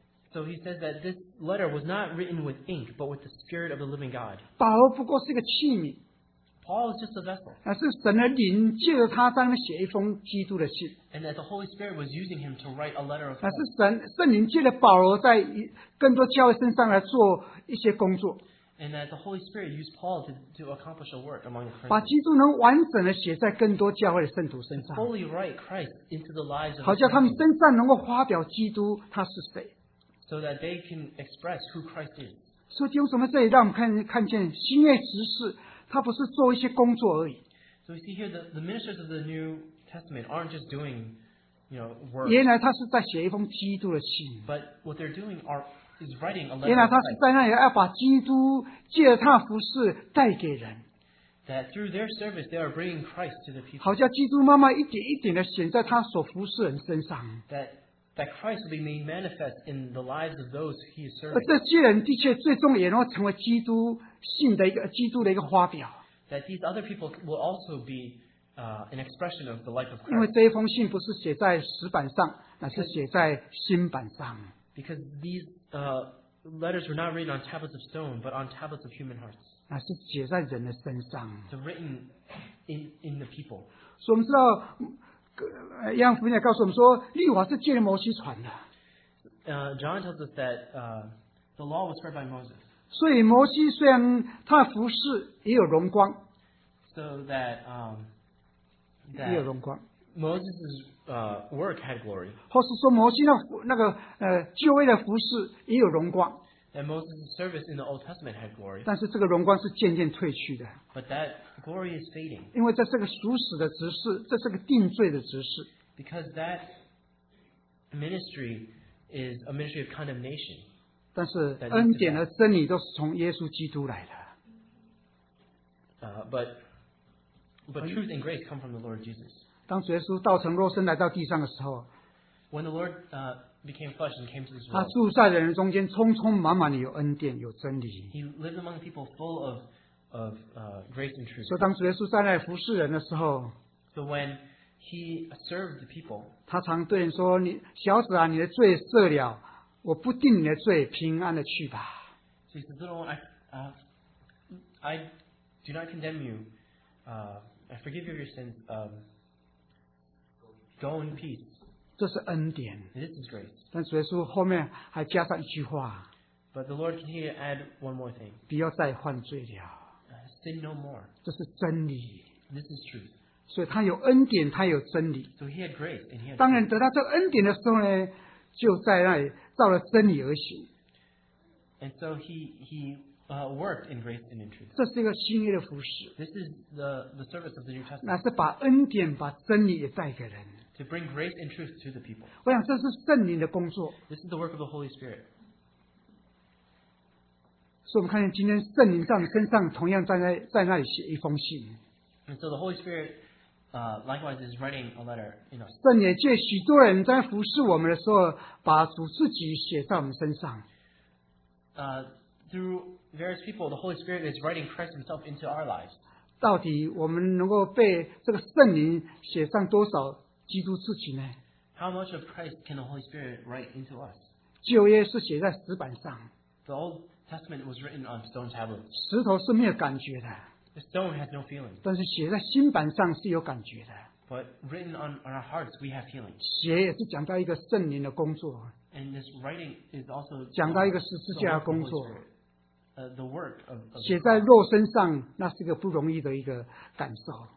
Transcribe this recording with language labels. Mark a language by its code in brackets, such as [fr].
[en] So he says that this letter was not written with ink, but with the Spirit of the living God. [zh] 保罗不过是一个器皿。 [en] Paul is just a vessel. [zh] 是神的灵借着他在那写一封基督的信。 [en] And that the Holy Spirit was using him to write a letter of Paul. [zh] 是圣灵借着保罗在更多教会身上来做一些工作。 [en] And that the Holy Spirit used Paul to accomplish a work among the Christians. [zh] 把基督能完整的写在更多教会的圣徒身上。 [en] To fully write Christ into the lives of the Christians. [zh] 好叫他们身上能够发表基督他是谁。 [en] so that they can express who Christ is. [zh] 所以弟兄姊妹，这里让我们 看见新约执事，他不是做一些工作而已。 [en] So we see here that the ministers of the New Testament aren't just doing, you know, work. [zh] 原来他是在写一封基督的信。 [en] But what they're doing is writing a letter. [zh] 原来他是在那里要把基督借他服事带给人。 [en] That through their service, they are bringing Christ to the people. [zh] 好像基督妈妈一点一点的显在他所服事人身上。 [en] That Christ will be made manifest in the lives of those he is serving. [zh] 这些人的确最终也能成为基督信的一个基督的一个花表。 [en] That these other people will also be an expression of the life of Christ. [zh] 因为这一封信不是写在石板上，那是写在心板上。 [en] Because these letters were not written on tablets of stone, but on tablets of human hearts. [zh] 那是写在人的身上。 [en] So written in the people. [zh] 所以我们知道。约翰福音也告诉我们说，律法是借着摩西传的。 [en] John tells us that the law was spread by Moses. [zh] 所以摩西虽然他的服事也有荣光 [en] ，so that [zh] 也有荣光。 [en] Moses' work had glory. [zh] 或是说摩西那个旧约的服事也有荣光。 [en] That Moses' service in the Old Testament had glory. [zh] 但是这个荣光是渐渐褪去的。 [en] But that glory is fading. [zh] 因为这是个属死的执事，这是个定罪的执事。 [en] Because that ministry is a ministry of condemnation. [zh] 但是恩典和真理都是从耶稣基督来的。 [en] But truth and grace come from the Lord Jesus. [zh] 当耶稣道成肉身来到地上的时候 [en] ，When the Lord became flesh and came to this world. [zh] 他住在人中间，充充满满的有恩典，有真理。 [en] He lived among people full of grace and truth. [zh] 所以当主耶稣在那里服侍人的时候 [en] ，So when he served the people, [zh] 他常对人说：“你小子啊，你的罪赦了，我不定你的罪，平安的去吧。 [en] ”So he says, "Little one, I do not condemn you. I forgive you of your sins. Go in peace." [zh] 这是恩典。 [en] This is grace. [zh] 但主耶稣后面还加上一句话。 [en] But the Lord continued to add one more thing. [zh] 不要再犯罪了。 [en] Sin no more. [zh] 这是真理。 [en] This is truth. [zh] 所以他有恩典，他有真理。 [en] So he had grace and he had. [zh] 当然得到这恩典的时候呢，就在那里照着真理而行。 [en] And so he worked in grace and in truth. [zh] 这是一个新约的服事。 [en] This is the service of the New Testament. [zh] 那是把恩典、把真理也带给人。 [en] To bring grace and truth to the people. [zh] 我想这是圣灵的工作。 [en] This is the work of the Holy Spirit. [zh] 所以我们看见今天圣灵在你身上同样在那里写一封信。 [en] And so the Holy Spirit, likewise is writing a letter. You know, [zh] 圣灵借许多人在服侍我们的时候，把主自己写在我们身上。 [en] Through various people, the Holy Spirit is writing Christ Himself into our lives. [zh] 到底我们能够被这个圣灵写上多少？基督自己呢 [en] ？How much of Christ can the Holy Spirit write into us？ [zh] 旧约是写在石板上 [en] ，The Old Testament was written on stone tablets。 [zh] 石头是没有感觉的 [en] ，The stone has no feeling。 [zh] 但是写在心板上是有感觉的 [en] ，But written on our hearts we have feeling。 [zh] 写也是讲到一个圣灵的工作 [en] ，And this writing is also [zh] 讲到一个十字架的工作 [en] ，The work of [zh] 写在肉身上那是一个不容易的一个感受